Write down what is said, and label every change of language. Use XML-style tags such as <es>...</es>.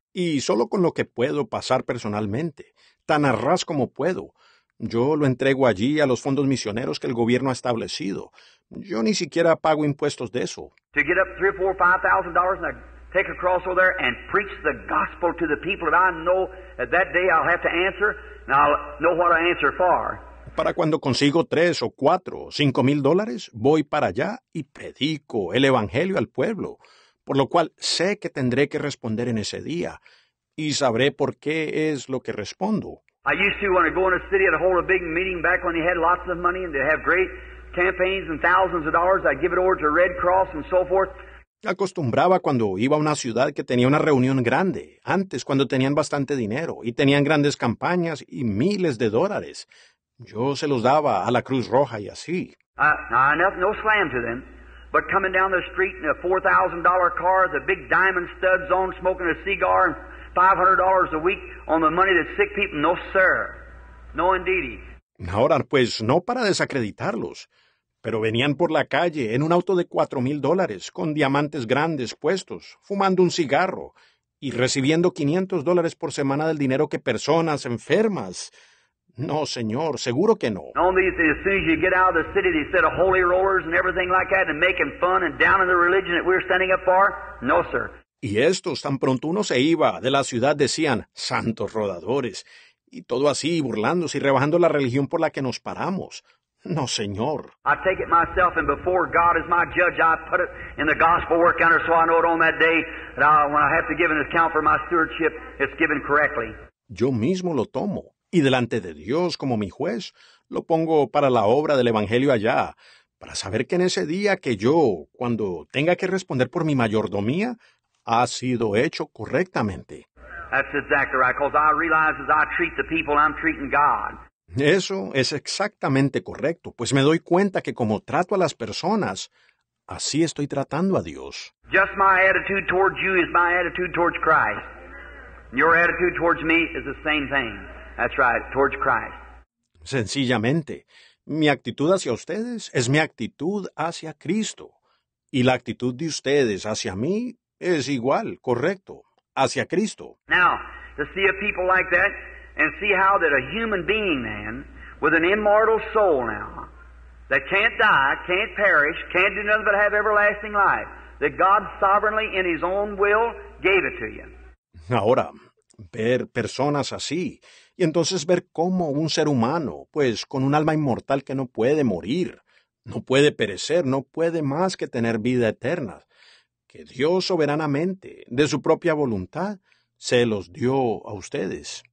<es>Y solo con lo que puedo pasar personalmente, tan a ras como puedo, yo lo entrego allí a los fondos misioneros que el gobierno ha establecido. Yo ni siquiera pago impuestos de eso.</es> <en>To get up $3,000 or $4,000 or $5,000 in a take a cross over there and preach the gospel to the people that I know that day I'll have to answer, and I'll know what I answer for.</en> <es>Para cuando consigo $3,000 or $4,000 or $5,000, voy para allá y predico el evangelio al pueblo, por lo cual sé que tendré que responder en ese día, y sabré por qué es lo que respondo.</es> <en>I used to want to go in a city and hold a big meeting back when they had lots of money and they have great campaigns and thousands of dollars. I'd give it over to Red Cross and so forth.</en> <es>Acostumbraba cuando iba a una ciudad que tenía una reunión grande, antes cuando tenían bastante dinero y tenían grandes campañas y miles de dólares. Yo se los daba a la Cruz Roja y así.</es> <en>No slam to them, but coming down the street in a $4,000 car, the big diamond studs on, smoking a cigar, and $500 a week on the money that sick people, no sir, no indeedy.</en> <es>Ahora, pues, no para desacreditarlos, pero venían por la calle en un auto de $4,000, con diamantes grandes puestos, fumando un cigarro y recibiendo $500 por semana del dinero que personas enfermas. No, señor, seguro que no.</es> <en>No, as soon as you get out of the city, they set a holy rollers and everything like that and making fun and down in the religion that we're standing up for. No, sir.</en> <es>Y estos, tan pronto uno se iba de la ciudad, decían, santos rodadores, y todo así, burlándose y rebajando la religión por la que nos paramos. No, señor.</es> <en>I take it myself, and before God is my judge, I put it in the gospel work counter so I know it on that day that when I have to give an account for my stewardship, it's given correctly.</en> <es>Yo mismo lo tomo, y delante de Dios como mi juez, lo pongo para la obra del evangelio allá, para saber que en ese día que yo, cuando tenga que responder por mi mayordomía, ha sido hecho correctamente.</es> <en>That's exactly right, because I realize as I treat the people, I'm treating God.</en> <es>Eso es exactamente correcto, pues me doy cuenta que como trato a las personas, así estoy tratando a Dios.</es> <en>Just my attitude towards you is my attitude towards Christ. Your attitude towards me is the same thing. That's right, towards Christ.</en> <es>Sencillamente, mi actitud hacia ustedes es mi actitud hacia Cristo. Y la actitud de ustedes hacia mí es igual, correcto, hacia Cristo.</es> <en>Now, to see a people like that, and see how that a human being, man, with an immortal soul now, that can't die, can't perish, can't do nothing but have everlasting life, that God sovereignly, in His own will, gave it to you.</en> <es>Ahora, ver personas así, y entonces ver cómo un ser humano, pues, con un alma inmortal que no puede morir, no puede perecer, no puede más que tener vida eterna, que Dios soberanamente, de su propia voluntad, se los dio a ustedes.</es>